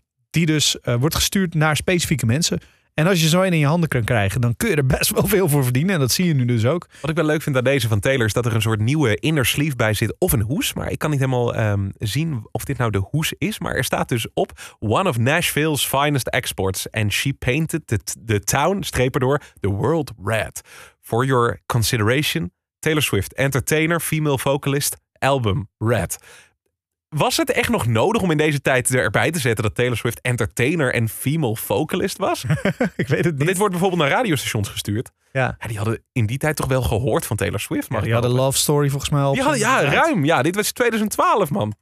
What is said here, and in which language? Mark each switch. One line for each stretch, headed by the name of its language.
Dutch: Die dus wordt gestuurd naar specifieke mensen. En als je zo een in je handen kan krijgen, dan kun je er best wel veel voor verdienen. En dat zie je nu dus ook. Wat ik wel leuk vind aan deze van Taylor is dat er een soort nieuwe inner sleeve bij zit. Of een hoes. Maar ik kan niet helemaal zien of dit nou de hoes is. Maar er staat dus op
English: One of Nashville's finest exports. And she painted the town,
Dutch: strepen door,
English: the world red. For your consideration, Taylor Swift, entertainer, female vocalist, album Red.
Dutch: Was het echt nog nodig om in deze tijd erbij te zetten dat Taylor Swift entertainer en female vocalist was? Ik weet het niet. Want dit wordt bijvoorbeeld naar radiostations gestuurd. Ja. Ja. Die hadden in die tijd toch wel gehoord van Taylor Swift. Ja, die hadden Love Story volgens mij al. Ja, ruim. Ja, dit was 2012, man.